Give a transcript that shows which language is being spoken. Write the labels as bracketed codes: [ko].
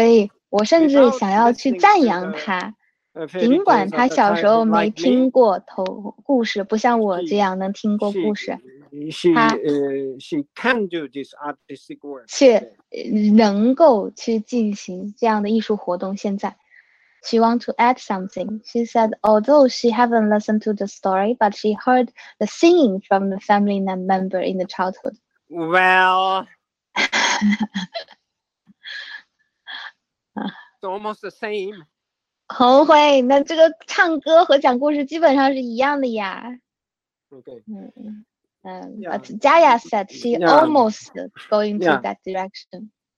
[zh] 所以我甚至想要去赞扬他，尽管他小时候没听过故事，不像我这样能听过故事。 [en] She can do this artistic work. [zh] 却能够去进行这样的艺术活动。现在 [en] ，She want to add something. She said, although she haven't listened to the story, but she heard the singing from the family member in the childhood. Well, it's almost the same. [zh] 红辉，那这个唱歌和讲故事基本上是一样的呀。 [en] Okay. 嗯，but Jaya said she almost going to that direction.